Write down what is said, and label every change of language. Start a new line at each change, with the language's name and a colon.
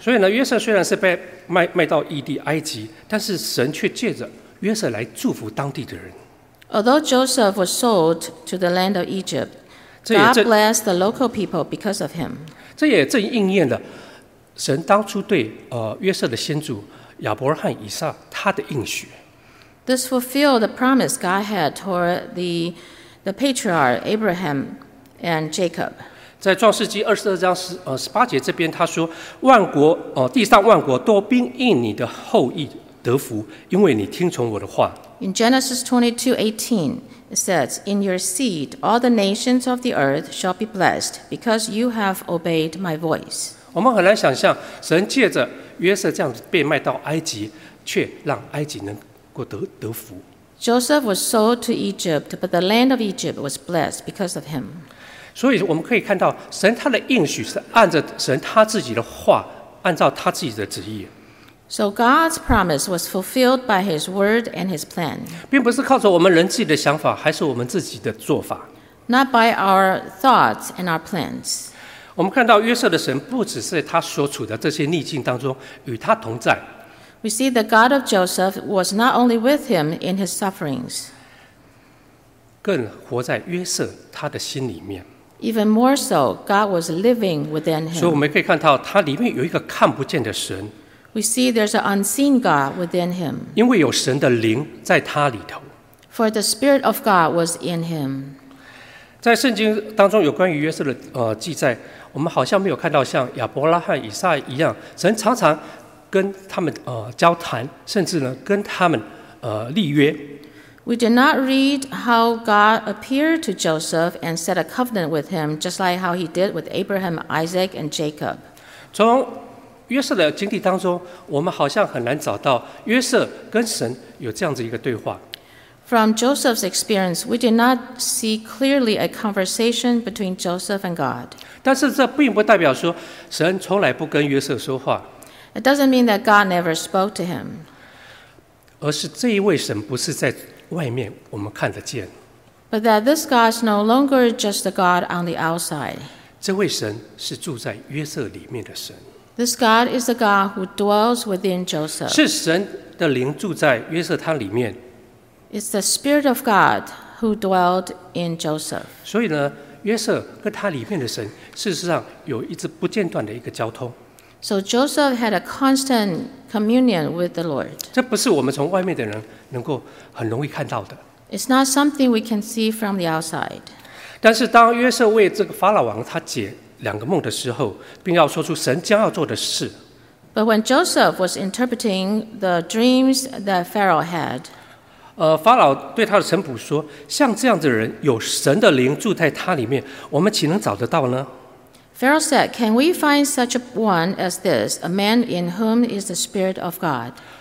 Chinese: 所以呢，约瑟虽然是被卖到异地埃及，但是神却借着约瑟来祝福当地的人。
English: Although Joseph was sold to the land of Egypt. God blessed the local people because of him.
Chinese: 这也正应验了神当初对约瑟的先祖亚伯拉罕以撒他的应许。
English: This fulfilled the promise God had toward the patriarch Abraham and Jacob.
Chinese: 在创世纪二十二章十八节这边他说万国地上万国都因你的后裔得福因为你听从我的话。
English: In Genesis 22:18,It says, In your seed, all the nations of the earth shall be blessed, because you have obeyed my voice.
Chinese: 我们很难想象，神借着约瑟这样被卖到埃及，却让埃及能够得福。
English: Joseph was sold to Egypt, but the land of Egypt was blessed because of him.
Chinese: 所以我们可以看到，神他的应许是按着神他自己的话，按照他自己的旨意。
English: So God's promise was fulfilled by His word and His plan.
Chinese: 并不是靠着我们人自己的想法，还是我们自己的做法。
English: Not by our thoughts and our plans.
Chinese: 我们看到约瑟的神不只是他所处的这些逆境当中与他同在。
English: We see the God of Joseph was not only with him in his sufferings.
Chinese: 更活在约瑟他的心里面。
English: Even more so, God was living within him.
Chinese: 所以我们可以看到，他里面有一个看不见的神。
English: We see there's an unseen God within him.
Chinese: 因为有神的灵在他里头。
English: For the spirit of God was in him.
Chinese: 在圣经当中有关于约瑟的记载，我们好像没有看到像亚伯拉罕、以撒一样，神常常跟他们交谈，甚至呢跟他们立约。
English: We did not read how God appeared to Joseph and set a covenant with him, just like how he did with Abraham, Isaac, and Jacob.
Chinese: 从约瑟的经历当中，我们好像很难找到约瑟跟神有这样子一个对话。
English: From Joseph's experience, we did not see clearly a conversation between Joseph and God.
Chinese: 但是这并不代表说神从来不跟约瑟说话。
English: It doesn't mean that God never spoke to him.
Chinese: 而是这一位神不是在外面我们看得见。
English: But that this God is no longer just a God on the outside.
Chinese: 这位神是住在约瑟里面的神。
English: This God is the God who dwells within Joseph.
Chinese: 是神的灵住在约瑟他里面。
English: It's the Spirit of God who dwelled in Joseph.
Chinese: 所以呢，约瑟跟他里面的神，事实上有一直不间断的一个交通。
English: So Joseph had a constant communion with the Lord.
Chinese: 这不是我们从外面的人能够很容易看到的。
English: It's not something we can see from the outside.
Chinese: 但是当约瑟为这个法老王他解两个梦的时候，并要说出神将要做的事。
English: But when Joseph was interpreting the dreams that Pharaoh had,
Chinese: 法老对他的臣仆说：“像这样的人，有神的灵住在他里面，我们岂能找得到呢？”
English: Pharaoh said, "Can we find such a one as this, a man in whom is the spirit of God?"